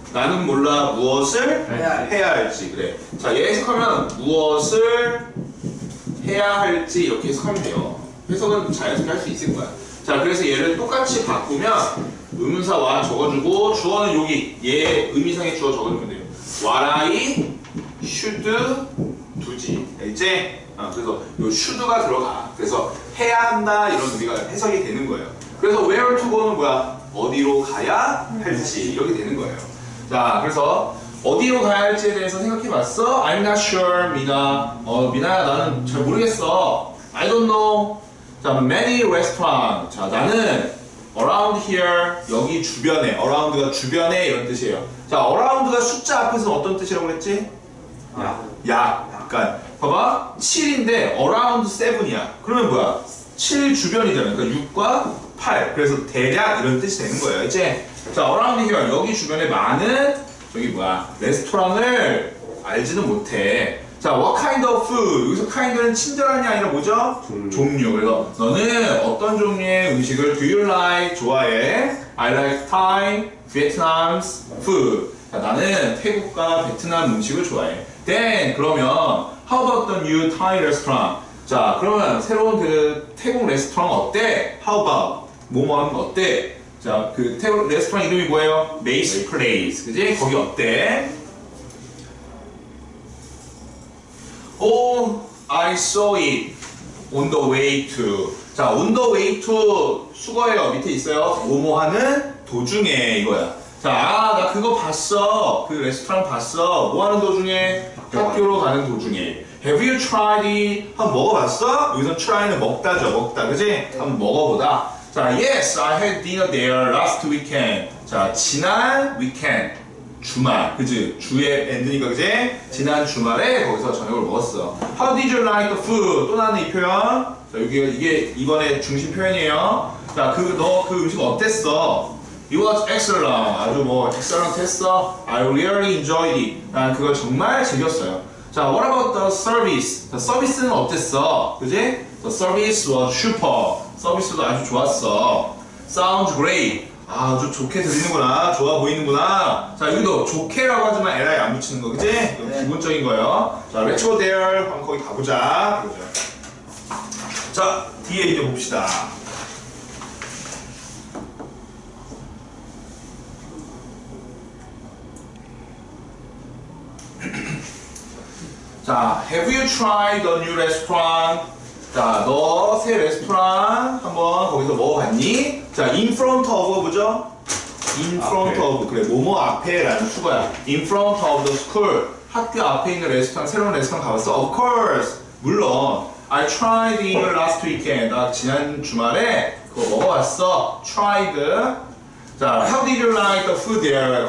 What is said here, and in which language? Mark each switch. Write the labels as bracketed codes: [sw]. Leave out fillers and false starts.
[ko] 나는 몰라 무엇을 해야 할지. 그래. 자, 얘 해석하면 무엇을 해야 할지 이렇게 해석하면 돼요. 해석은 자연스럽게 할 수 있을 거야. 자, 그래서 얘를 똑같이 바꾸면 의문사 와 적어주고 주어는 여기 얘 의미상의 주어 적어주면 돼요. [en] What I should 두지. [ko] 알지? 그래서 요 should가 들어가. 그래서 해야 한다 이런 의미가 해석이 되는 거예요. 그래서 where to go는 뭐야? 어디로 가야 할지 이렇게 되는 거예요. 자, 그래서 어디로 가야 할지에 대해서 생각해 봤어? [en] I'm not sure, 미나. [ko] 미나야, 나는 잘 모르겠어. [en] I don't know. 자, many restaurants. [ko] 자, 나는 [en] around here, [ko] 여기 주변에, around가 주변에 이런 뜻이에요. 자, around가 숫자 앞에서는 어떤 뜻이라고 그랬지? 약간, 봐봐. 7인데 around 7이야. 그러면 뭐야? 7 주변이잖아. 그러니까 6과 8. 그래서 대략 이런 뜻이 되는 거예요. 이제 자, [en] around here, [ko] 여기 주변에 많은 저기 뭐야, 레스토랑을 알지는 못해. [en] 자, what kind of food? [ko] 여기서 kind는 친절한이 아니라 뭐죠? 종류. 그래서 너는 어떤 종류의 음식을 [en] do you like, [ko] 좋아해? [en] I like Thai, Vietnam's food. [ko] 자, 나는 태국과 베트남 음식을 좋아해. [en] Then, 그러면 how about the new Thai restaurant? [ko] 자, 그러면 새로운 그 태국 레스토랑 어때? How about? 뭐뭐 하면 어때? 자, 그 태국 레스토랑 이름이 뭐예요? Mace Place. 그지? 거기 어때? [en] Oh, I saw it on the way to. [ko] 자, on the way to 수거예요. 밑에 있어요. 뭐뭐 하는 도중에 이거야. 자, 나 그거 봤어. 그 레스토랑 봤어. 뭐 하는 도중에? 학교로 가는 도중에. [en] Have you tried it? [ko] 한번 먹어봤어? 여기서 try는 먹다죠. 먹다. 그지? 한번 먹어보다. [en] 자, yes, I had dinner there last weekend. [ko] 자, 지난 weekend. 주말. 그지? 주에 end니까, 그지? 지난 주말에 거기서 저녁을 먹었어. [en] How did you like the food? [ko] 또 나는 이 표현. 자, 여기, 이게 이번에 중심 표현이에요. 자, 너 그 음식 어땠어? [en] It was excellent. [ko] 아주 뭐, excellent 했어. [en] I really enjoyed it. [ko] 난 그걸 정말 즐겼어요. [en] 자, what about the service? [ko] 자, 서비스는 어땠어? 그지? [en] The service was super. [ko] 서비스도 아주 좋았어. [en] Sounds great. [ko] 아, 아주 좋게 들리는구나. 좋아 보이는구나. 자, 여기도 좋게라고 하지만 LI 안 붙이는 거, 그치? 네. 기본적인 거예요. 자, [en] let's go there. [ko] 한번 거기 가보자. 자, 뒤에 이제 봅시다. [en] 자, have you tried the new restaurant? [ko] 자, 너 새 레스토랑 한번 거기서 먹어봤니? 자, in front of 뭐죠? In front 앞에. of, 그래, 뭐뭐 앞에라는 수거야. [en] In front of the school, [ko] 학교 앞에 있는 레스토랑, 새로운 레스토랑 가봤어? [en] Of course, 물론. I tried in the last weekend. [ko] 나 지난 주말에 그거 먹어봤어. [en] Tried. 자, how did you like the food there?